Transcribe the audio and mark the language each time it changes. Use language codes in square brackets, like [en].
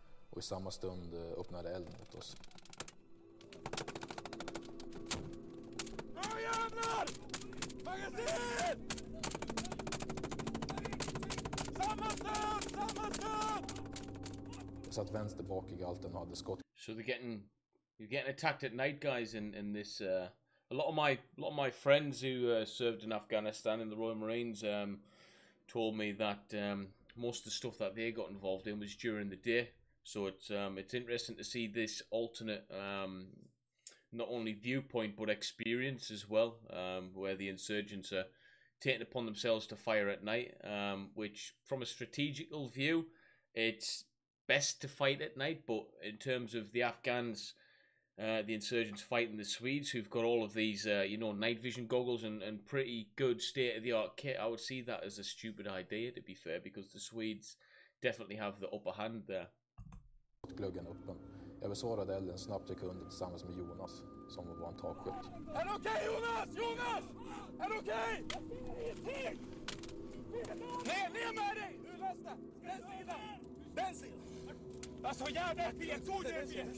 [sv] Och i samma stund öppnade eld mot oss. Kom igen, jävlar! Magasin! Samma stund! Samma stund! Jag satt vänster bak i galten och hade skott. [en] So they're getting, you're getting attacked at night, guys, in this, a lot of my friends who served in Afghanistan in the Royal Marines told me that most of the stuff that they got involved in was during the day. So it's interesting to see this alternate, not only viewpoint, but experience as well, where the insurgents are taking it upon themselves to fire at night, which from a strategical view, it's best to fight at night. But in terms of the Afghans, the insurgents fighting the Swedes, who've got all of these, you know, night vision goggles and pretty good state-of-the-art kit, I would see that as a stupid idea, to be fair, because the Swedes definitely have the upper hand there. [sv] Gluggen öppen. Jag besvarade elden snabbt jag kunde tillsammans med Jonas, som var en takskytt. Är det okej, Jonas? Jonas! Är det okej? Nej, ner med dig! Du läste! Den sidan! Den sidan! Alltså, jävla fel! Jag tog det